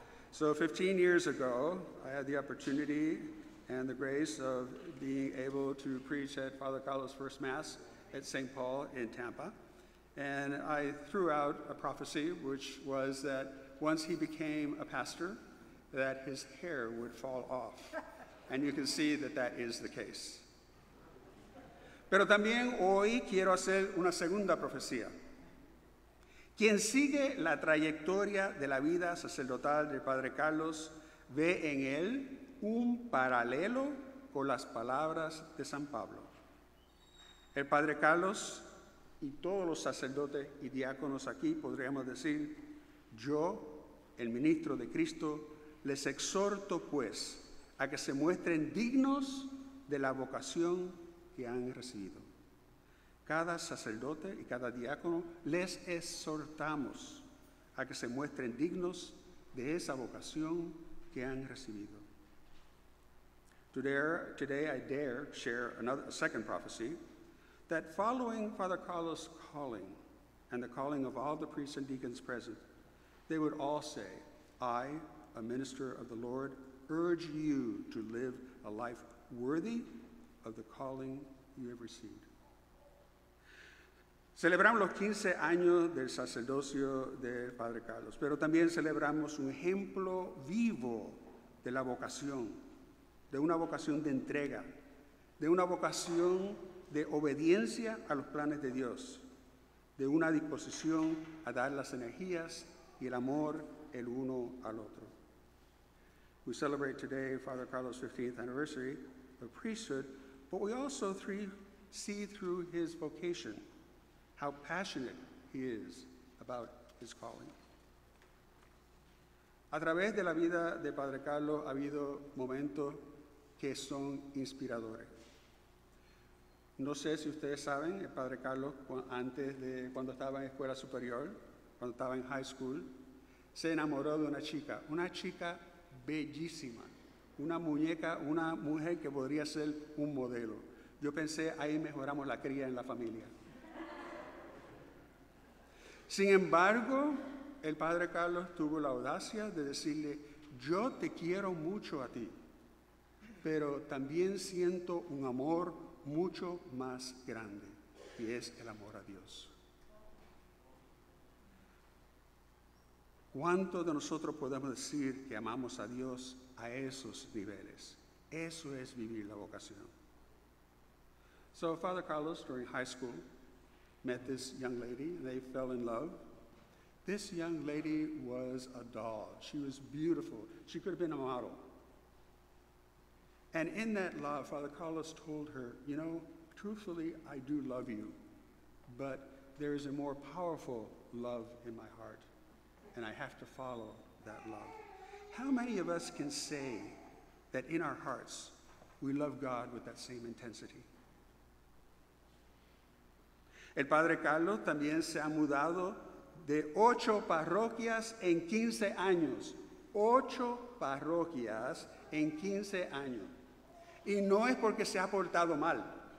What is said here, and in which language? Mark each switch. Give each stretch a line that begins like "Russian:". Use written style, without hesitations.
English: So 15 years ago, I had the opportunity and the grace of being able to preach at Father Carlos' first mass at St. Paul in Tampa. And I threw out a prophecy, which was that once he became a pastor, that his hair would fall off. And you can see that that is the case.
Spanish: Pero también hoy quiero hacer una segunda profecía. Quien sigue la trayectoria de la vida sacerdotal del Padre Carlos ve en él un paralelo con las palabras de San Pablo. El Padre Carlos y todos los sacerdotes y diáconos aquí podríamos decir, yo, el ministro de Cristo, les exhorto pues a que se muestren dignos de la vocación que han recibido. Cada sacerdote y cada diácono les exhortamos a que se muestren dignos de esa vocación que han recibido.
English: Today I dare share another, a second prophecy, that following Father Carlos' calling and the calling of all the priests and deacons present, they would all say, I, a minister of the Lord, urge you to live a life worthy of the calling you have received.
Spanish: Celebramos los 15 años del sacerdocio de Padre Carlos, pero también celebramos un ejemplo vivo de la vocación, de una vocación de entrega, de una vocación de obediencia a los planes de Dios, de una disposición a dar las energías y el amor el uno al otro.
English: We celebrate today Father Carlos' 15th anniversary of priesthood, but we also see through his vocation how passionate he is about his calling.
Spanish: A través de la vida de Padre Carlos ha habido momentos que son inspiradores. No sé si ustedes saben, el Padre Carlos, cuando estaba en escuela superior, cuando estaba en
English: high school,
Spanish: se enamoró de una chica bellísima, una muñeca, una mujer que podría ser un modelo. Yo pensé, ahí mejoramos la cría en la familia. Sin embargo, el Padre Carlos tuvo la audacia de decirle, yo te quiero mucho a ti, pero también siento un amor mucho más grande, y es el amor a Dios. ¿Cuántos de nosotros podemos decir que amamos a Dios a esos niveles? Eso es vivir la vocación.
English: So Father Carlos, during high school, met this young lady, and they fell in love. This young lady was a doll. She was beautiful. She could have been a model. And in that love, Father Carlos told her, you know, truthfully, I do love you, but there is a more powerful love in my heart, and I have to follow that love. How many of us can say that in our hearts, we love God with that same intensity?
Spanish: El Padre Carlos también se ha mudado de 8 parroquias en 15 años. 8 parroquias en 15 años. Y no es porque se ha portado mal.